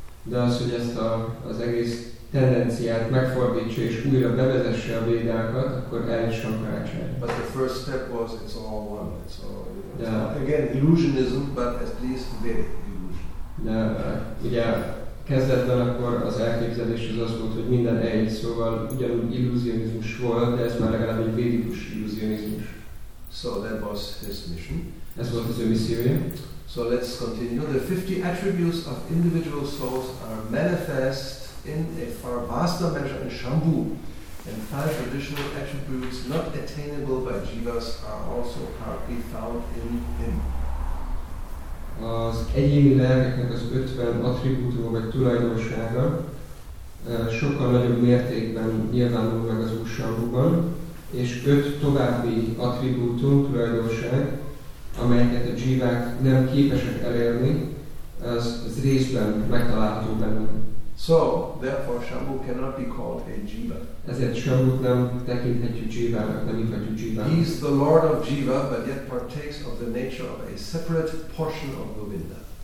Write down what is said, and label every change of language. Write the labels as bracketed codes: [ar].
[hu] De az, hogy ezt az egész tendenciát megfordítsa és újra bevezesse a Védákat, akkor el is Shankaracharya. [en] But the first step was, it's all one, it's all, you know, it's all, again, illusionism, but at least Vedic illusion. [hu] De ugye kezdetben akkor az elképzelés az volt, hogy minden egy, szóval ugyanúgy illusionizmus volt, de ez már legalább egy védikus illusionizmus. [en] So that was his mission. [hu] Ez volt az ő missziója. [en] So let's continue. The 50 attributes of individual souls are manifest in a far vaster measure in Shambhu, and five additional attributes not attainable by jivas are also partly found in him. [hu] Az egyéni lelkeknek az 50 attribútuma vagy tulajdonsága sokkal nagyobb mértékben nyilvánul meg az Úr Shambhuban, és 5 további attribútum, tulajdonság, amelyeket a jivák nem képesek elérni, az részben megtalálható bennük. [en] So, therefore, Shambhu cannot be called a jiva. [hu] Ezért Shambhu nem tekinthetjük jivának, nem hívhatjuk jivának. [en] He is the lord of jiva, but yet partakes of the nature of a separate portion of Govinda.